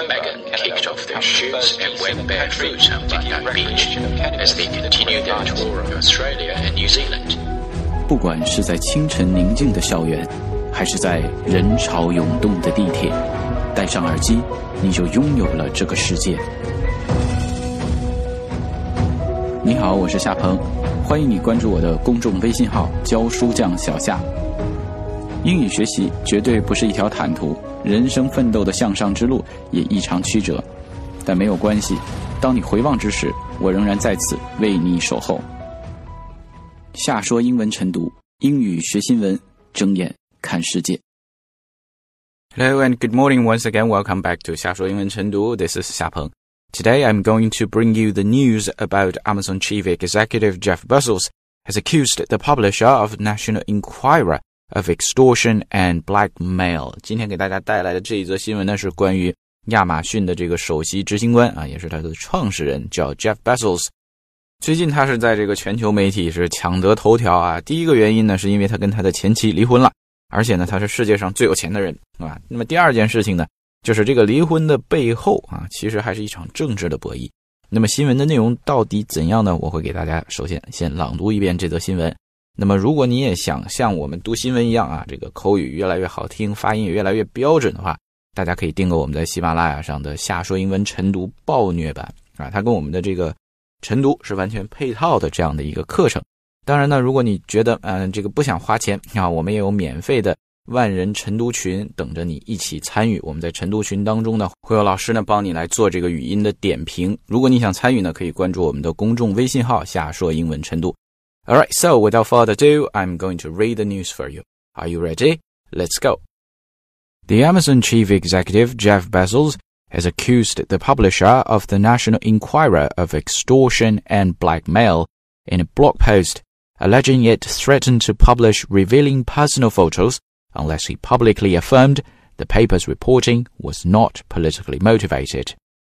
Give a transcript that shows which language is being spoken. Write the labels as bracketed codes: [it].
[en] Megan kicked off their shoots and went barefoot on Bondi Beach as they continued their tour of Australia and New Zealand. [zh] 不管是在清晨宁静的校园，还是在人潮涌动的地铁，戴上耳机，你就拥有了这个世界。你好，我是夏鹏，欢迎你关注我的公众微信号教书匠小夏。英语学习绝对不是一条坦途，人生奋斗的向上之路也异常曲折，但没有关系，当你回望之时，我仍然在此为你守候。夏说英文晨读，英语学新闻，睁眼看世界。 [en] Hello and good morning once again. Welcome back to 夏说英文晨读。This is 夏鹏。 Today, I'm going to bring you the news about Amazon chief executive Jeff Bezos has accused the publisher of National Enquirer of extortion and blackmail. [zh] 今天给大家带来的这一则新闻呢，是关于亚马逊的这个首席执行官啊，也是他的创始人叫 Jeff Bezos。最近他是在这个全球媒体是抢得头条啊。第一个原因呢，是因为他跟他的前妻离婚了，而且呢，他是世界上最有钱的人，是吧？那么第二件事情呢？就是这个离婚的背后啊，其实还是一场政治的博弈。那么新闻的内容到底怎样呢？我会给大家首先先朗读一遍这则新闻。那么如果你也想像我们读新闻一样啊，这个口语越来越好听，发音也越来越标准的话，大家可以订购我们在喜马拉雅上的夏说英文晨读暴虐版啊，它跟我们的这个晨读是完全配套的这样的一个课程。当然呢，如果你觉得这个不想花钱啊，我们也有免费的万人晨读群等着你一起参与，我们在晨读群当中呢，会有老师呢帮你来做这个语音的点评。如果你想参与呢，可以关注我们的公众微信号夏说英文晨读。 [en] Alright, so without further ado, I'm going to read the news for you. Are you ready? Let's go. The Amazon chief executive Jeff Bezos has accused the publisher of the National Enquirer of extortion and blackmail in a blog post, alleging it threatened to publish revealing personal photosunless he publicly affirmed the paper's reporting was not politically motivated.